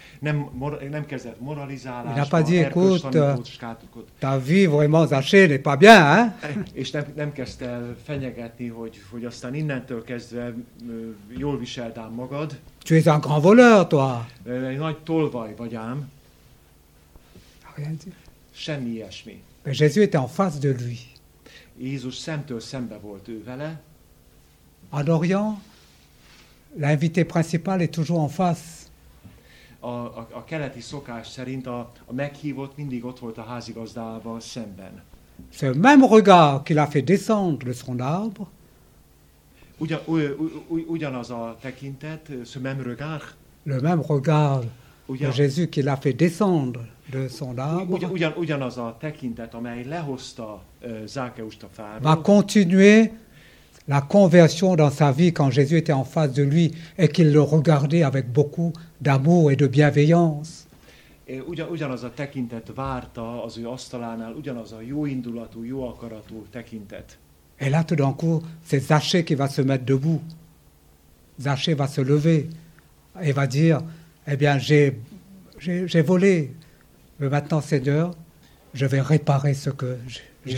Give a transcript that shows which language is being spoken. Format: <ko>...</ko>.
<hu>Nem kezdett moralizálásba.</hu> <fr>Il n'a pas dit, écoute, ta vie vraiment Zachée n'est pas bien, hein?</fr> <hu>És nem kezdte fenyegetni, hogy aztán innentől kezdve jól viseld ám magad.</hu> <fr>Tu es un grand voleur, toi.</fr> <hu>Egy nagy tolvaj vagy ám.</hu> <fr>Rien dit.</fr> <hu>Semmi ilyesmi.</hu> <fr>Mais Jésus était en face de lui.</fr> <hu>Jézus szemtől szembe volt ő vele.</hu> <fr>En Orient, l'invité principal est toujours en face.</fr> <hu>A keleti szokás szerint a meghívott mindig ott volt a házigazdával szemben.</hu> <fr>Ce même regard qu'il a fait descendre de son arbre.</fr> <hu>Ugyanaz a tekintet,</hu> <fr>ce même regard. Le même regard de Jésus qu'il a fait descendre de son arbre.</fr> <hu>Ugyanaz a tekintet, amely lehozta Zákeust a fáról.</hu> <fr>Va continuer la conversion dans sa vie quand Jésus était en face de lui et qu'il le regardait avec beaucoup d'amour et de bienveillance.</fr> <hu>Ugyanaz a tekintet várta az ő asztalánál, ugyanaz a jó indulatú, jó akaratú tekintet.</hu> <fr>Et là, tout d'un coup, c'est Zachée qui va se mettre debout. Zachée va se lever et va dire, eh bien, j'ai volé. Mais maintenant, Seigneur, je vais réparer ce que j'ai.</fr>